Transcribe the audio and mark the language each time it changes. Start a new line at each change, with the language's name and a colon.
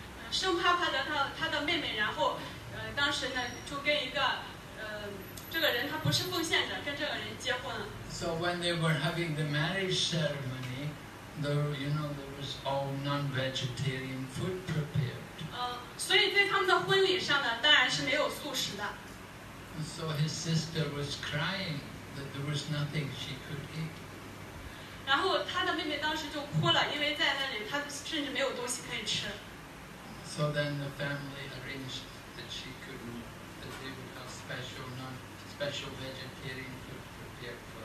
Chinese: 圣帕帕德他的妹妹，然后当时呢就跟一个这个人他不是奉献者，跟这个人结婚了。
English: So when they were having the marriage ceremony, there was all non-vegetarian food prepared.
Chinese: 所以在他们的婚礼上呢，当然是没有素食的。
English: So his sister was crying that there was nothing she could eat.
Chinese: 然后他的妹妹当时就哭了，因为在那里他甚至没有东西可以吃。
English: So then the family arranged that she could, that they would have special vegetarian food prepared.